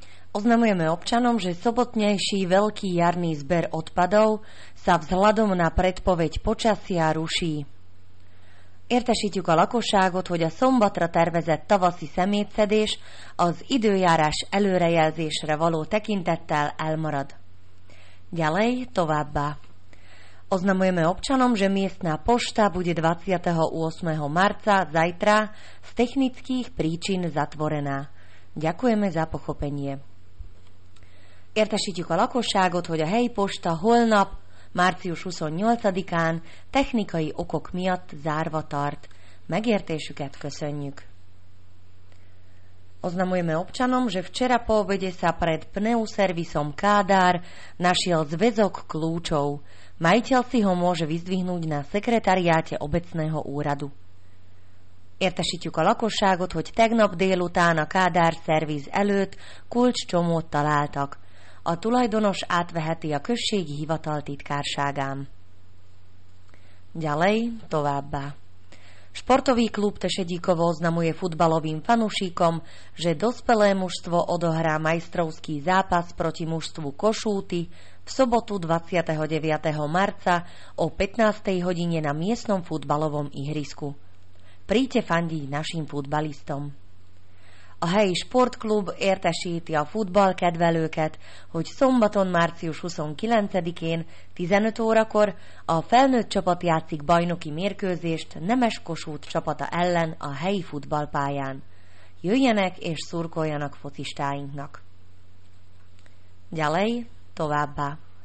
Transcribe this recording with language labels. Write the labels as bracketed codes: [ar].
[sk] Oznamujeme občanom, že sobotnejší veľký jarný zber odpadov sa vzhľadom na predpoveď počasia ruší. [hu] Értesítjük a lakosságot, hogy a szombatra tervezett tavaszi szemétszedés az időjárás előrejelzésre való tekintettel elmarad. [sk] Ďalej, [hu] továbbá. [sk] Oznamujeme občanom, že miestná pošta bude 28. marca zajtra z technických príčin zatvorená. Ďakujeme za pochopenie. [hu] Értesítjük a lakosságot, hogy a helyi posta holnap, március 28-án technikai okok miatt zárva tart. Megértésüket köszönjük. [sk] Oznamujeme občanom, že včera po obede sa pred pneuservisom Kádár našiel zväzok kľúčov. Majiteľ si ho môže vyzdvihnúť na sekretariáte obecného úradu. [hu] Értesítjük a lakosságot, hogy tegnap délután a Kádár szerviz előtt kulcscsomót találtak. A tulajdonos átveheti a községi hivatal titkárságán. [sk] Ďalej, [hu] továbbá. [sk] Sportový klub Tešedíkovo oznamuje futbalovým fanúšikom, že dospelé mužstvo odohrá majstrovský zápas proti mužstvu Košúty v sobotu 29. marca o 15. hodine na miestnom futbalovom ihrisku. Príďte fandiť našim futbalistom. [hu] A helyi sportklub értesíti a futballkedvelőket, hogy szombaton március 29-én 15 órakor a felnőtt csapat játszik bajnoki mérkőzést Nemes Kossuth csapata ellen a helyi futballpályán. Jöjjenek és szurkoljanak focistáinknak. [sk] Ďalej, [hu] továbbá.